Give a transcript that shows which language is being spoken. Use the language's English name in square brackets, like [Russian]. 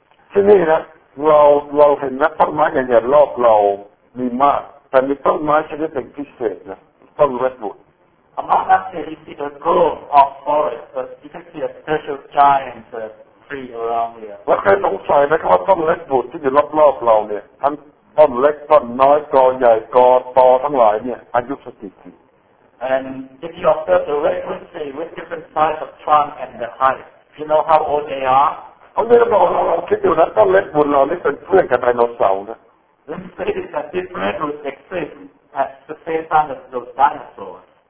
[Thai] ที่นี่นะเราเห็นนะต้นไม้ใหญ่ๆรอบเรามีมากแต่มีต้นไม้ชนิดหนึ่งพิเศษนะต้นเรดวูด [English] Among us here, you see the grove of forest, but you can see a special giant tree around here. [Thai] แล้วใครสงสัยไหมครับว่าต้นเล็กบุตรที่อยู่รอบๆเราเนี่ยทั้งต้นเล็กต้นน้อยกอใหญ่กอตอทั้งหลายเนี่ยอายุสักกี่ปี [English] And if you observe the redwood tree with different size of trunk and the height, you know how old they are? [Thai] เขาเลยบอกเราคิดอยู่นะต้นเล็กบุตรเรานี่เป็นเพื่อนกับไดโนเสาร์นะ [English] Then you say that this redwood exists at the same time as those dinosaurs.